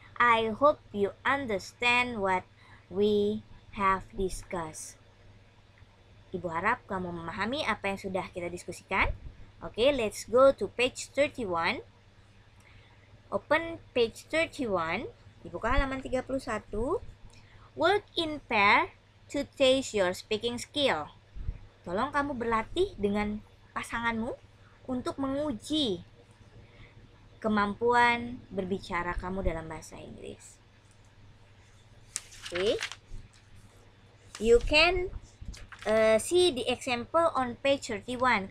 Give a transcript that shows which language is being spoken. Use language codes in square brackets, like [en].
[en] I hope you understand what we have discussed. [id] Ibu harap kamu memahami apa yang sudah kita diskusikan. [en] Okay, let's go to page 31. Open page 31, [id] dibuka halaman 31. [en] Work in pair to test your speaking skill. [id] Tolong kamu berlatih dengan pasanganmu untuk menguji kemampuan berbicara kamu dalam bahasa Inggris. Okay. [en] You can see the example on page 31.